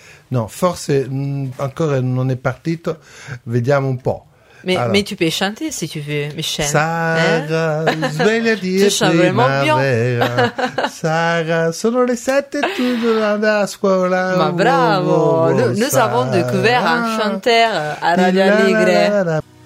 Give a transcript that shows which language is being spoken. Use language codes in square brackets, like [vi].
[it] Non, forse, encore non è partito, vediamo un po'. [fr] Mais tu peux chanter si tu veux, Michel. Sara, tu chantes vraiment bien. Sara, sono le 7 et tu dois aller à scuola. Ma bravo, nous avons découvert un chanteur à Radio Allegre.